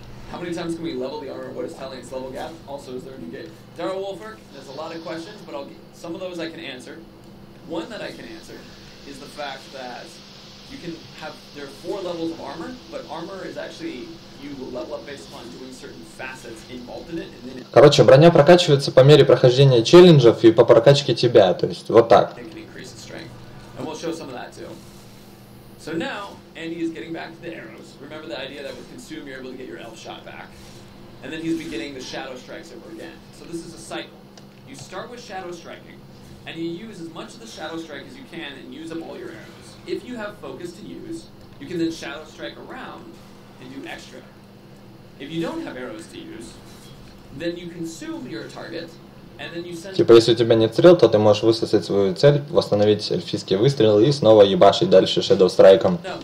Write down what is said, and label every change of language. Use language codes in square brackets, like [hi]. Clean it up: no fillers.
[en] How many times can we level the armor? What is telling its level gap? Also, is there a new gate? Daryl Wolfer, there's a lot of questions, but some of those I can answer. One that I can answer is the fact that you can have, there are four levels of armor, but armor is actually, you level up based upon doing certain facets involved in it. [ru] Короче, броня прокачивается по мере прохождения челленджов и по прокачке тебя, то есть вот так. [en] It can increase its strength. And we'll show some of that too. So now, Andy is getting back to the arrows. Remember the idea that with consume you're able to get your elf shot back. And then he's beginning the shadow strikes over again. So this is a cycle. You start with shadow striking, and you use as much of the shadow strike as you can and use up all your arrows. If you have focus to use, you can then shadow strike around and do extra. If you don't have arrows to use, then you consume your target, [ru] Типа, если у тебя нет стрел, то ты можешь высосать свою цель, восстановить эльфийские выстрелы и снова ебашить дальше Shadow Strike'ом.